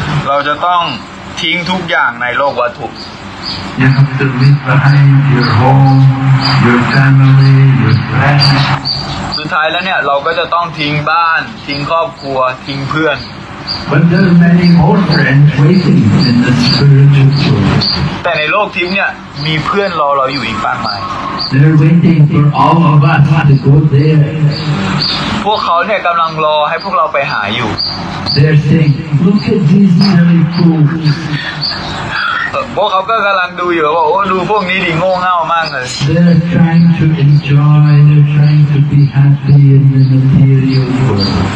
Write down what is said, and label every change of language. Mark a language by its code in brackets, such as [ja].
[th] ราจะต้องทิ้งทุกอย่างในโลกวัตถุ [en] You have to leave behind your home, your family, your friends. [th] สุดท้ายแล้วเนี่ยเราก็จะต้องทิ้งบ้านทิ้งครอบครัวทิ้งเพื่อน [en] But there are many old friends waiting in the spiritual world. [th] แต่ในโลกทิพย์เนี่ยมีเพื่อนรอเราอยู่อีกมากมาย [en] They're waiting for all of us to go there. [th] พวกเขาเนี่ยกำลังรอให้พวกเราไปหาอยู่ [en] They're saying, look at these silly fools. [th] พวกเขาก็กำลังดูอยู่ว่าโอ้ดูพวกนี้ดิโง่เง่ามากเลย [en] They're trying to enjoy, they're trying to be happy in the material world.